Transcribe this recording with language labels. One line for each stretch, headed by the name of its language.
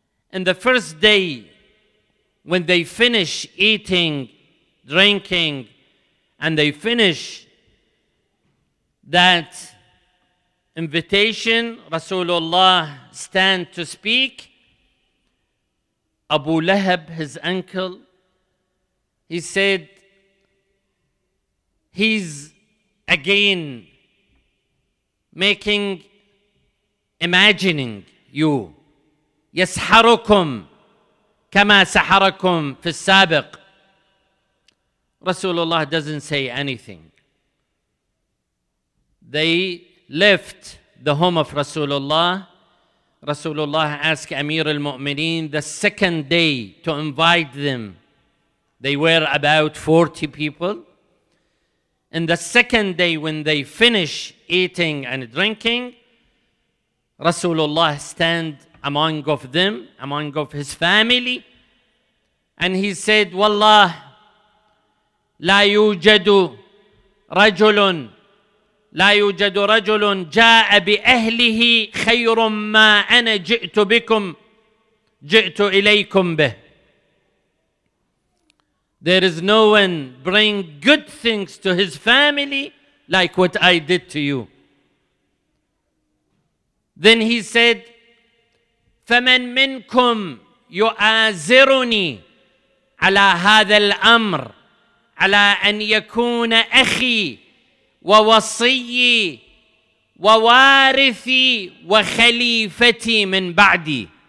English: And the first day, when they finish eating, drinking, and they finish that invitation, Rasulullah stand to speak, Abu Lahab, his uncle, he said, he's again imagining you.
Arabic: يسحركم كما سحركم في السابق.
English: Rasulullah doesn't say anything. They left the home of Rasulullah. Rasulullah asked Amir al-Mu'mineen the second day to invite them. They were about 40 people. And the second day, when they finish eating and drinking, Rasulullah stand among of them, among of his family, and he said, Wallah,
Arabic: لا يوجد رجل لا يوجد رجل جاء بأهله خير ما أنا جئت بكم جئت إليكم به.
English: There is no one bring good things to his family like what I did to you. Then he said,
Arabic: فمن منكم يؤازرني على هذا الأمر على أن يكون أخي ووصيي ووارثي وخليفتي من بعدي.